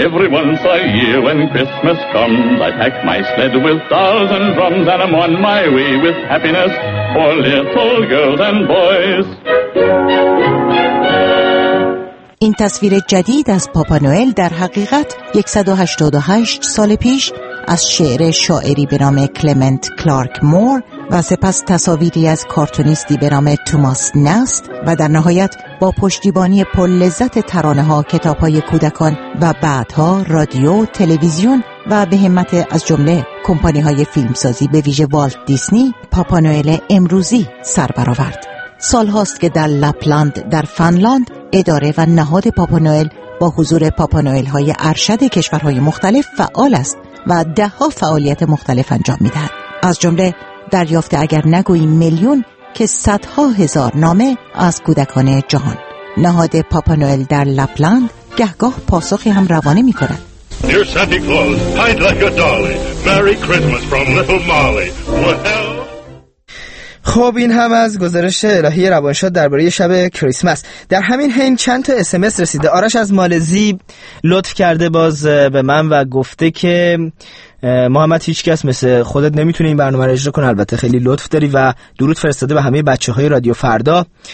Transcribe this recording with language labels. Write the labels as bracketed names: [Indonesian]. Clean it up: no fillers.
[English] Once a year when Christmas comes, I pack my sled with thousand drums and I'm on my way with happiness for little girls and boys. [Persian] این تصویر جدید از پاپا نوئل در حقیقت 188 سال پیش از شعر شاعری به نام کلمنت کلارک مور و سپس تصاویری از کارتونیستی به نام توماس نست و در نهایت با پشتیبانی پر لذت ترانه ها، کتاب های کودکان و بعدها رادیو، تلویزیون و به همت از جمله کمپانی های فیلمسازی به ویژه والت دیسنی، پاپا نوئل امروزی سر برآورد. سال هاست که در لپلاند در فنلاند اداره و نهاد پاپا نوئل با حضور پاپا نوئل های ارشد کشورهای مختلف فعال است و ده ها فعالیت مختلف انجام می دهد، از جمله دریافت اگر نگوییم میلیون که صدها هزار نامه از کودکان جهان. نهاد پاپا نوئل در لپلاند گهگاه پاسخی هم روانه می کند. [English] Dear Santa Claus, hide like a dolly, Merry Christmas from little Molly. [Persian] خب این هم از گزارش الهی روانشاد درباره شب کریسمس. در همین حین چند تا اسمس رسیده. آرش از مالزی لطف کرده باز به من و گفته که محمد هیچ کس مثل خودت نمیتونه این برنامه را اجرا کنه، البته خیلی لطف داری و درود فرستاده به همه بچه های رادیو فردا.